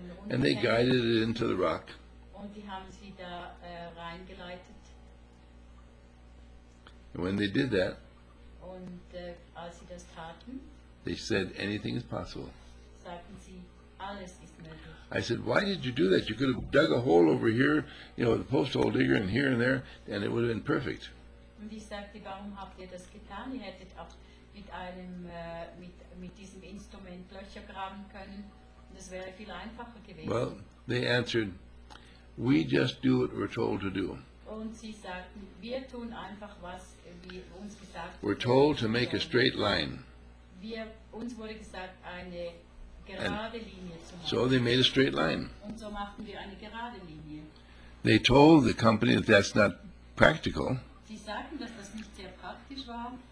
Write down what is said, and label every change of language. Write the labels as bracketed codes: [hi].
[en] And they guided it into the rock. [de] Und die haben sie da reingeleitet. [en] And when they did that, [de] und als sie das taten, [en] they said, anything is possible. [de] Sagten sie, alles ist möglich. [en] I said, why did you do that? You could have dug a hole over here, you know, the post hole digger, and here and there, and it would have been perfect. [de] Und ich sagte, warum habt ihr das getan? Ihr hättet auch mit einem, mit diesem Instrument Löcher graben können. Das wäre viel einfacher gewesen. [en] Well, they answered, we just do what we're told to do. [de] Und sie sagten, wir tun einfach, was wir uns gesagt haben. [en] We're told to make a straight line. [de] Uns wurde gesagt, eine gerade Linie zu machen. [en] So they made a straight line. [de] Und so machten wir eine gerade Linie. [en] They told the company that that's not practical. [de] Sie sagten, dass das nicht sehr praktisch war.